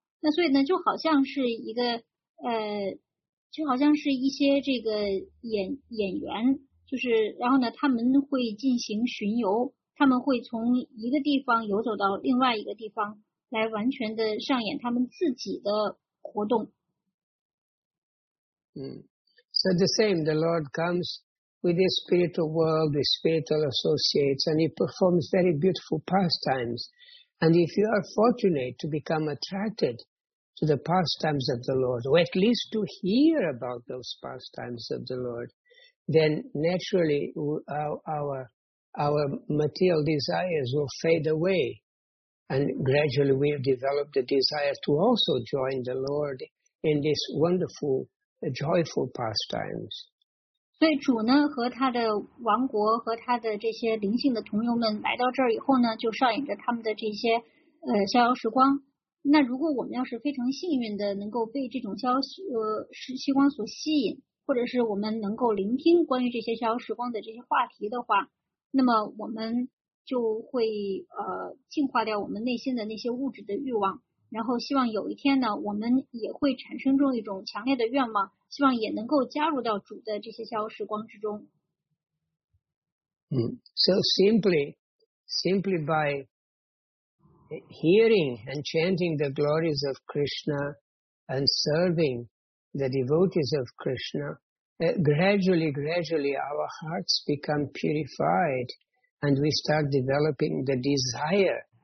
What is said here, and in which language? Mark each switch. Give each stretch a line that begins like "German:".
Chinese: 那所以呢，就好像是一个就好像是一些这个演员，就是然后呢，他们会进行巡游，他们会从一个地方游走到另外一个地方，来完全的上演他们自己的活动。
English: So the same, the Lord comes with his spiritual world, his spiritual associates, and he performs very beautiful pastimes. And if you are fortunate to become attracted to the pastimes of the Lord, or at least to hear about those pastimes of the Lord, then naturally our material desires will fade away. And gradually we have developed the desire to also join the Lord in these wonderful, joyful pastimes.
Chinese: 所以主呢和他的王国和他的这些灵性的同游们来到这儿以后呢，就上演着他们的这些逍遥时光。那如果我们要是非常幸运的能够被这种逍遥时光所吸引，或者是我们能够聆听关于这些逍遥时光的这些话题的话，那么我们就会净化掉我们内心的那些物质的欲望，然后希望有一天呢，我们也会产生这种一种强烈的愿望，希望也能够加入到主的这些逍遥时光之中。
English: So simply by hearing and chanting the glories of Krishna and serving the devotees of Krishna, gradually our hearts become purified and we start developing the desire.